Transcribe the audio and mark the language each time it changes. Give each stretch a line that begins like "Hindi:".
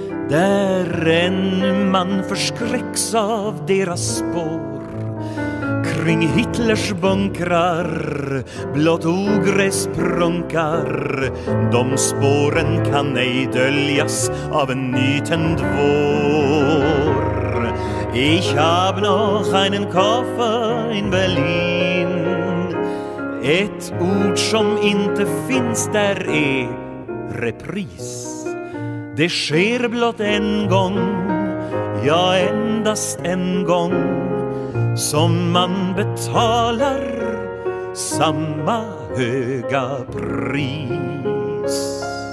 Swedish: Där en man förskräcks av deras spår. Kring Hitlers bunkrar blott ogräs prunkar. De spåren kan ej döljas av en nytänd vår.
German: Ich hab noch einen Koffer in Berlin.
Swedish: Ett ord som inte finns där är repris. Det sker blott en gång, ja endast en gång, som man betalar samma höga pris.